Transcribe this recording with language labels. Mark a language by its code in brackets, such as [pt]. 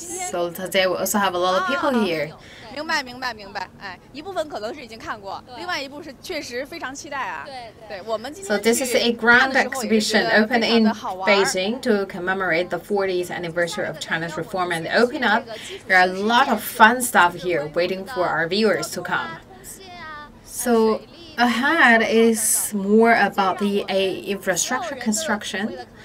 [en] So today we also have a lot of people here. [zh] 明白，哎，一部分可能是已经看过，另外一部是确实非常期待啊。对对。对，我们今天 [en] So this is a grand exhibition open in Beijing to commemorate the 40th anniversary of China's reform and open up. There are a lot of fun stuff here waiting for our viewers to come. So ahead is more about the infrastructure construction.